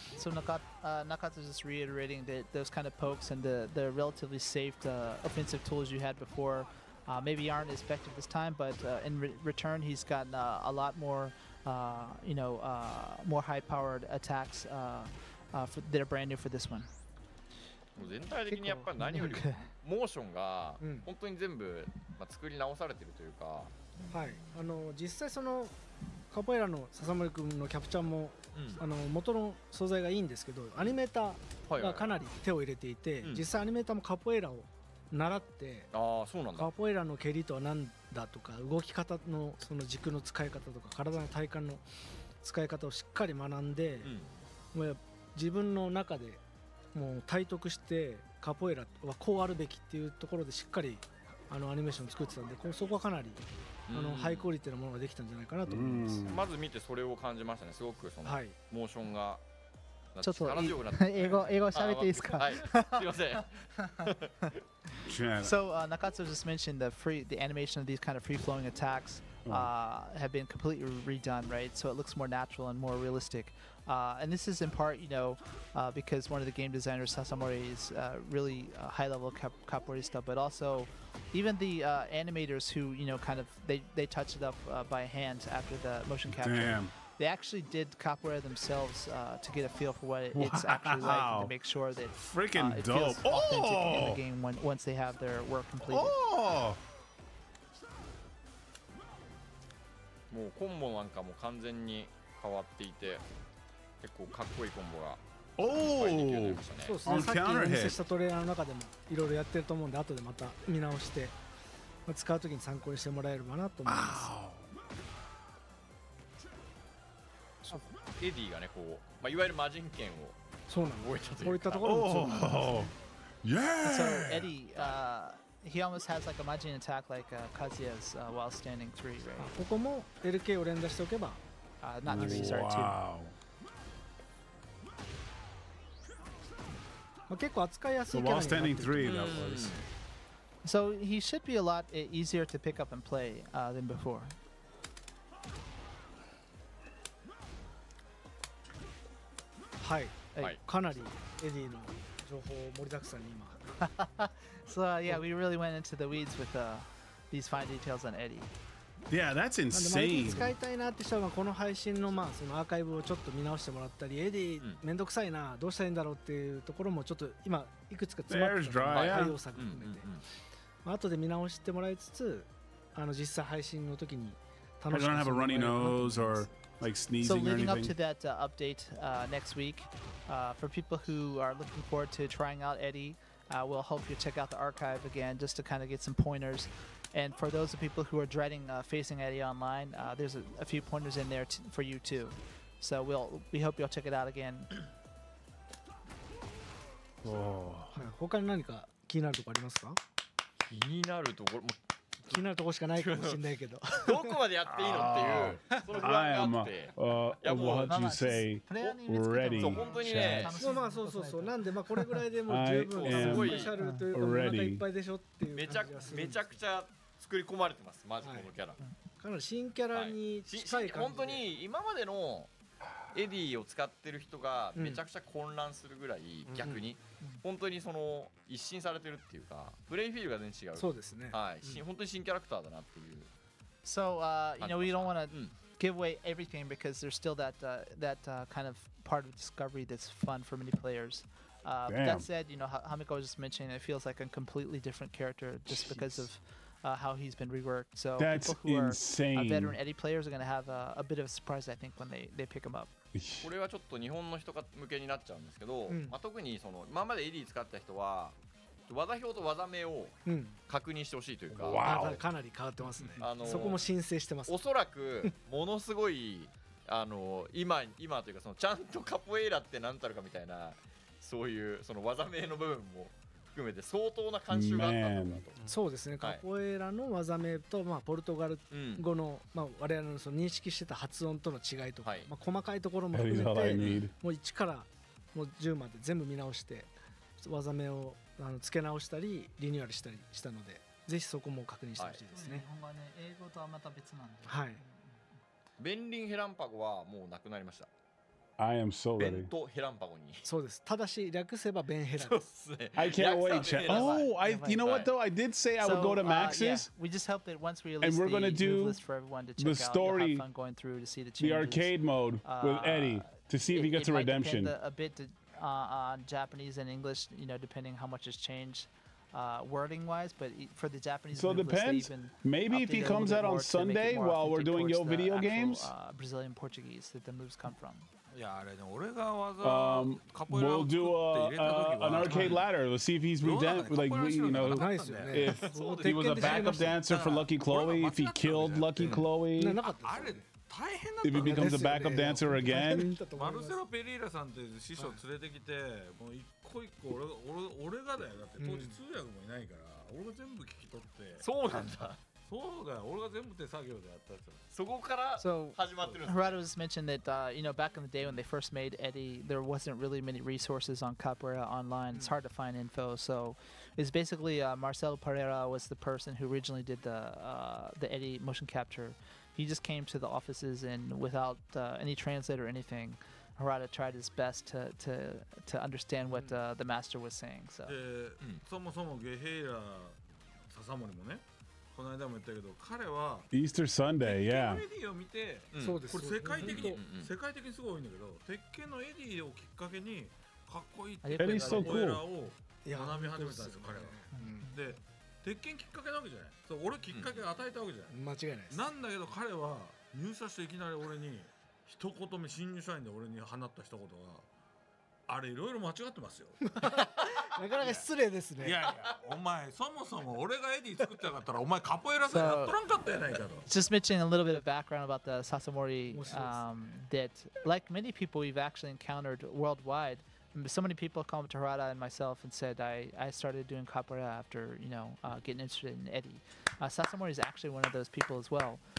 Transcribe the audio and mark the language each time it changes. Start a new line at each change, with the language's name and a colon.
English: So Nakatsu is just reiterating that those kind of pokes and the relatively safe offensive tools you had before. Maybe aren't as effective this time, but in return, he's gotten a lot more, more high-powered attacks that are brand new for this one.
Japanese: 全体的にやっぱり何よりモーションが本当に全部作り直されているというか。はい。あの実際そのカポエラの笹森くんのキャプチャーも、あの元の素材がいいんですけど、アニメーターがかなり手を入れていて、実際アニメーターもカポエラを習ってあそうなんだカポエラの蹴りとは何だとか動き方のその軸の使い方とか体の体幹の使い方をしっかり学んで、もう自分の中でもう体得してカポエラはこうあるべきっていうところでしっかりあのアニメーションを作ってたんで、そこはかなりあのハイクオリティなものができたんじゃないかなと思います。まず見てそれを感じましたね。すごくそのモーションが、ちょっと英語喋っていいですか？すいません。 So Nakatsu just mentioned the animation of these kind of free flowing attacks have been completely redone, right? So it looks more natural and more realistic. And this is in part, you know, because one of the game designers, Sasamori, is really high level capoeirista, but also even the animators who, you know, kind of they touch it up by hand after the motion capture. Damn. They actually did capoeira themselves to get a feel for what it's actually like and to make sure that freaking it dope. Feels authentic in the game when, once they have their work completed. Oh! もうコンボなんかも完全に変わっていて、結構かっこいいコンボが。おお、そうですね。さっきお見せしたトレーラーの中でもいろいろやってると思うんで、後でまた見直して、使うときに参考にしてもらえればなと思います。エディがね、こう、まあ、いわゆる魔人剣を動いたというか、こういったところもそうなんですね。
English: Oh. Yeah. He almost has like a Majin attack like Kazuya's while standing three, right?
Japanese: ここも LK を連打しておけば、
English: not three, sorry, two. Wow.
Japanese: まあ結構扱いやすいキャラになって
English: る。So while standing three, that was. So he should be a lot easier to pick up and play than before.
Japanese: はい、かなりエディの情報盛りだくさんに今。
English: So yeah, we really went into the weeds with these fine details on Eddy. Yeah, that's insane.
Japanese: 使いたいなって人はこの配信のまあそのアーカイブをちょっと見直してもらったり、Eddy めんどくさいな、どうしたらいいんだろうっていうところもちょっと今いくつか詰まってる対応策含めて、まあ後で見直してもらいつつ、あの実際配信の時に楽しみ。
English: I don't have a runny nose or like sneezing or anything. So leading up to that update next week, for people who are looking forward to trying out Eddy. We'll hope you check out the archive again just to kind of get some pointers. And for those of people who are dreading facing Eddy online, there's a few pointers in there for you too. So we hope you'll check it out again. Oh.
Japanese: 他に何か気になるところありますか？気になるところも気になるところしかないかもしれないけど。どこまでやっていいのっていう。
English: I am. What you say? Ready?
Japanese: まあまあそうそうそう。なんでまあこれぐらいでも十分すごいシャルというかなんかいっぱいでしょっていう感じがする。めちゃくちゃ作り込まれてます。マジこのキャラ。かなり新キャラに近い感じ。本当に今までのエディを使ってる人がめちゃくちゃ混乱するぐらい逆に。本当にその一新されてるっていうか、プレイフィールが全然違う。そうですね。はい、本当に新キャラクターだなっていう。
English: So, you know, we don't want to give away everything because there's still that kind of part of discovery that's fun for many players. But that said, you know, Hamiko was just mentioning it feels like a completely different character just because of how he's been reworked. So that's people who are insane. Veteran Eddy players are going to have a bit of a surprise, I think, when they pick him up.
Japanese: これはちょっと日本の人向けになっちゃうんですけど、うん、まあ、特にその今までエディ使った人は技表と技名を確認してほしいというか、うん、かなり変わってますね。そこも申請してます。おそらくものすごい今というかそのちゃんとカポエイラって何たるかみたいな、そういうその技名の部分も含めて相当な慣習があったんだと、ね、そうですね、はい、カポエイラの技名と、まあ、ポルトガル語の、うん、まあ、我々 その認識してた発音との違いとか、はい、まあ、細かいところも含めてもう1からもう10まで全部見直して技名を付け直したりリニューアルしたりしたので、ぜひそこも確認してほしいですね、は日本語はね、英語とはまた別なんで、はい、ベンリンヘランパゴはもうなくなりました。
English: I am so ready.
Japanese: ベントヘランパゴに。そうです。ただし略せばベンヘラ。そうっすね。
English: I can't wait. Oh, you know what though? I did say I would go to Max's. We just hope that once we release the move list for everyone to check out, the story, you'll have fun going through to see the changes. The arcade mode with Eddy to see if he gets a redemption. It might depend a bit on Japanese and English, you know, depending how much has changed wording wise. But for the Japanese, so depends. Maybe if he comes out on Sunday while we're doing Yo Video Games. Brazilian Portuguese that the moves come from.
Japanese: いやあれね、俺が技カポエラを作って入れた時は、
English: an arcade ladder. Let's see if he's redemption. Like we, you know, if he was a backup dancer for Lucky Chloe, if he killed Lucky Chloe.
Japanese: なかった。あれ
English: If he becomes a backup dancer again.
Japanese: マルセロ・ペリーラさんという師匠を連れてきて、もう一個一個俺がだよ。だって当時通訳もいないから、俺が全部聞き取って。そうなんだ。そうだよ。俺が全部手作業でやったやつ。そこから始まってる。
English: Harada was mentioned that, you know, back in the day when they first made Eddie, there wasn't really many resources on Capoeira online. It's hard to find info, so... It's basically Marcelo Pereira was the person who originally did the Eddy motion capture. He just came to the offices and without any translator or anything, Harada tried his best to understand what the master was saying. So.
Japanese: そもそもゲヘイラ笹森もね、この間も言ったけど、彼は
English: Easter Sunday, yeah.
Japanese: 鉄拳のエディを見て、そうです。これ世界的にすごい多いんだけど、鉄拳のエディをきっかけにかっこいいってエディストコールを学び始めたんですよ、彼は。で、鉄拳きっかけなわけじゃない。そう、俺きっかけ与えたわけじゃない。間違いないです。なんだけど彼は入社していきなり俺に一言目、新入社員で俺に放った一言が、あれいろいろ間違ってますよ。なかなか失礼ですね。いやいや、お前そもそも俺がエディ作ってなかったら、お前カポエラさんやっとらんかったやないかと。
English: Just mentioning a little bit of background about the Sasamori, that like many people we've actually encountered worldwide. So many people come up to Harada and myself and said, I started doing capoeira after, you know, getting interested in Eddy. Sasamori is actually one of those people as well.